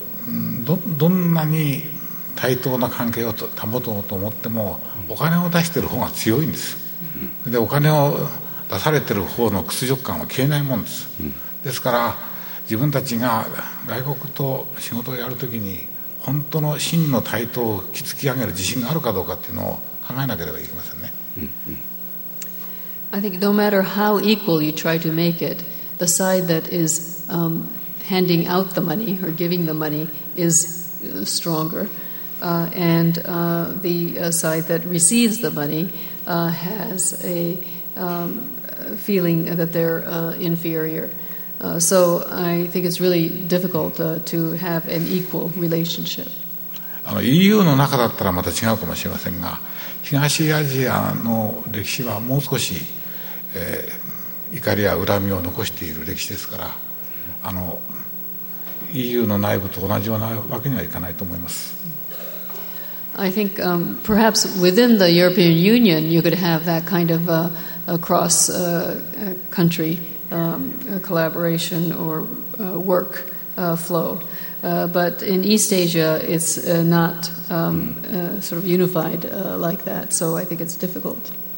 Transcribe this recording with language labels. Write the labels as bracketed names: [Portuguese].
[Japanese] いや、なんとも言えませんね。つまり、どんなに 対等な関係を保とうと思っても、お金を出している方が強いんです。で、お金を出されている方の屈辱感は消えないもんです。ですから、自分たちが外国と仕事をやるときに本当の真の対等を築き上げる自信があるかどうかっていうのを考えなければいけませんね。 [English] I think no matter how equal you try to make it, the side that is handing out the money or giving the money is stronger. And the side that receives the money has a feeling that they're inferior. So I think it's really difficult to have an equal relationship. [Japanese] EU の中だったらまた違うかもしれませんが、東アジアの歴史はもう少し怒りや恨みを残している歴史ですから、EU の内部と同じような訳にはいかないと思います。 [English] I think perhaps within the European Union you could have that kind of a cross-country collaboration or work flow. But in East Asia, it's not sort of unified like that, so I think it's difficult.